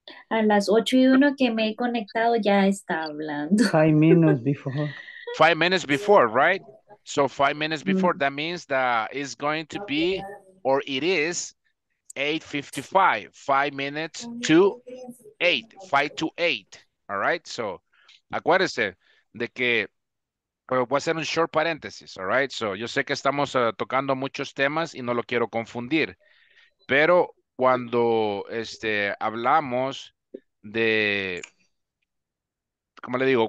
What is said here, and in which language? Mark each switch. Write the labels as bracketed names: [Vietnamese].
[Spanish] A las 8:01 que me he conectado ya está hablando. [English] 5 minutes before. 5 minutes before, right? So 5 minutes before, that means that it's going to be, or it is, 8:55. 5 minutes to 8. 5 to 8. All right? [Spanish] So, acuérdese de que voy a hacer un short paréntesis, all right? So, yo sé que estamos tocando muchos temas y no lo quiero confundir. Pero cuando hablamos de, ¿cómo le digo?